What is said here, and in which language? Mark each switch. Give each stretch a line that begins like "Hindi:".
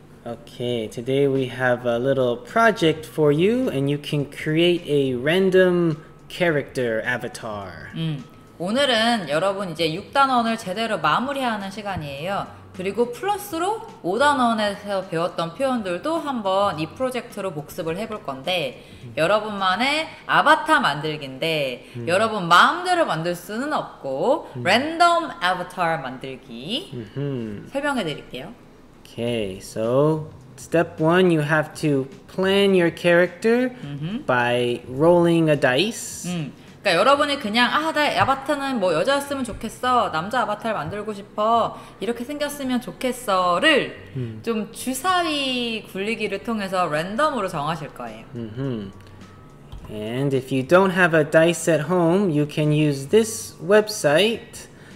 English: Okay, today we have a little project for you, and you can create a random character avatar.
Korean: 오늘은 여러분 이제 6단원을 제대로 마무리하는 시간이에요. 그리고 플러스로 5단원에서 배웠던 표현들도 한번 이 프로젝트로 복습을 해볼 건데 여러분만의 아바타 만들기인데 여러분 마음대로 만들 수는 없고 랜덤 아바타 만들기 설명해 드릴게요.
English: Okay, so step one, you have to plan your character by rolling a dice.
Korean: 그러니까 여러분이 그냥 아, 나 아바타는 뭐 여자였으면 좋겠어, 남자 아바타를 만들고 싶어, 이렇게 생겼으면 좋겠어를 좀 주사위 굴리기를 통해서 랜덤으로 정하실 거예요.
English: And if you don't have a dice at home, you can use this website.